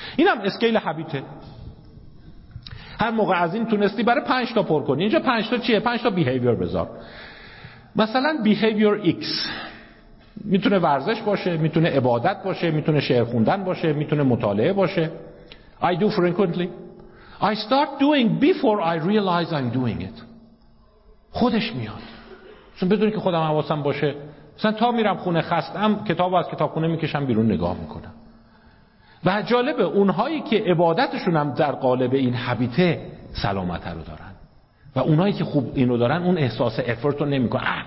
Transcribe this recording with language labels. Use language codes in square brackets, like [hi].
[fa] اینم اسکیل هبیته. هر موقع از این تونستی برای 5 تا پر کنی. اینجا 5 تا چیه؟ 5 تا بیهیویر بذار. مثلا بیهیویر ایکس میتونه ورزش باشه، میتونه عبادت باشه، میتونه شعر خوندن باشه، میتونه مطالعه باشه. [en] I do frequently. I start doing before I realize I'm doing it. [fa] خودش میاد. چون بدونی که خودم حواسم باشه. مثلا تا میرم خونه خستم کتاب از کتابخونه میکشم بیرون نگاه میکنم. و جالبه اونهایی که عبادتشون هم در قالب این حبیته سلامت رو دارن و اونایی که خوب اینو دارن اون احساس افورت رو نمی کنن.